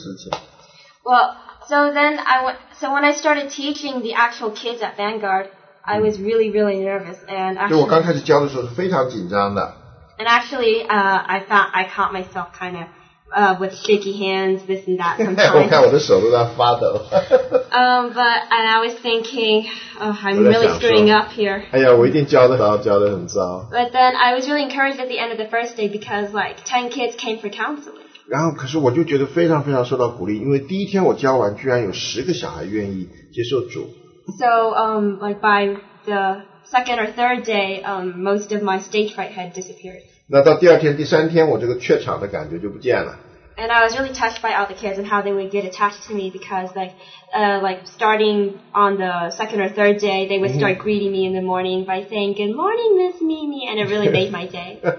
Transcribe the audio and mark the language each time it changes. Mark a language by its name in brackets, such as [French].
[English] So when I started teaching the actual kids at Vanguard, I was really, really nervous, I caught myself kind of with shaky hands, this and that sometimes. And I was thinking, But then I was really encouraged at the end of the first day because like 10 kids came for counseling. [Chinese] 然后可是我就觉得非常非常受到鼓励，因为第一天我教完居然有10个小孩愿意接受主。 [English] So, by the second or third day, most of my stage fright had disappeared. [Chinese] 那到第二天、第三天，我这个怯场的感觉就不见了。 [English] And I was really touched by all the kids and how they would get attached to me because, like starting on the second or third day, they would start greeting me in the morning by saying, "Good morning, Miss Mimi," and it really made my day.